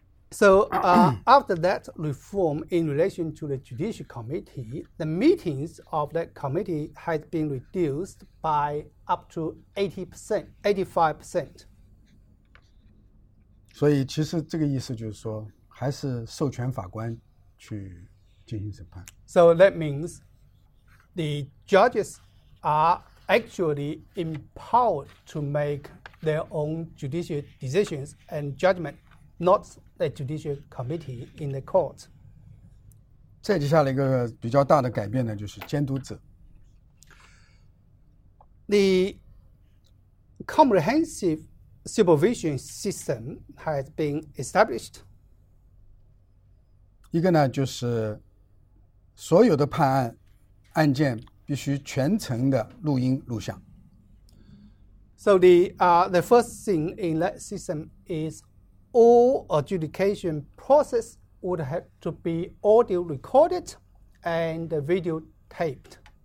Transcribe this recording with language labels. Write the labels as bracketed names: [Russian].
[English] So after that reform in relation to the judicial committee, the meetings of that committee has been reduced by up to 85%. [Chinese] 所以其实这个意思就是说还是授权法官去进行审判。 [English] So that means the judges are actually empowered to make their own judicial decisions and judgment, not the judicial committee in the court. [Chinese] 再接下来一个比较大的改变呢，就是监督制。 [English] The comprehensive supervision system has been established. [Chinese] 一个呢，就是所有的判案案件必须全程的录音录像。 [English] So the first thing in that system is all adjudication process would have to be audio recorded and videotaped.